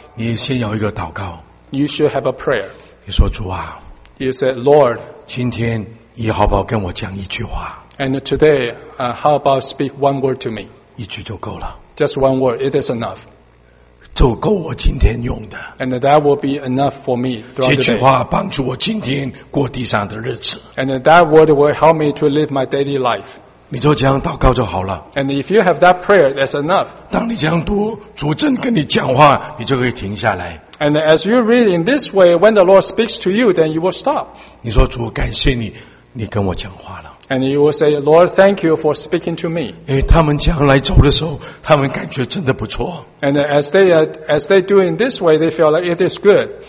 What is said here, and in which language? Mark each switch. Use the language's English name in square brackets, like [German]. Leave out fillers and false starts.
[Chinese] 你先有一个祷告。 [English] You should have a prayer. [Chinese] 你说主啊。 [English] You said, Lord. [Chinese] 今天你好不好跟我讲一句话。 [English] And today, how about speak one word to me? [Chinese] 一句就够了。 [English] Just one word. It is enough. [Chinese] 就够我今天用的。 [English] And that will be enough for me throughout the day. [Chinese] 这句话帮助我今天过地上的日子。 [English] And that word will help me to live my daily life. [Chinese] 你就这样祷告就好了。 [English] And if you have that prayer, that's enough. [Chinese] 当你这样读，主正跟你讲话，你就可以停下来。 [English] And as you read in this way, when the Lord speaks to you, then you will stop. [Chinese] 你说主，感谢你，你跟我讲话了。 [English] And you will say, Lord, thank you for speaking to me. [Chinese] 诶，他们将来走的时候，他们感觉真的不错。 [English] And as they do in this way, they feel like it is good.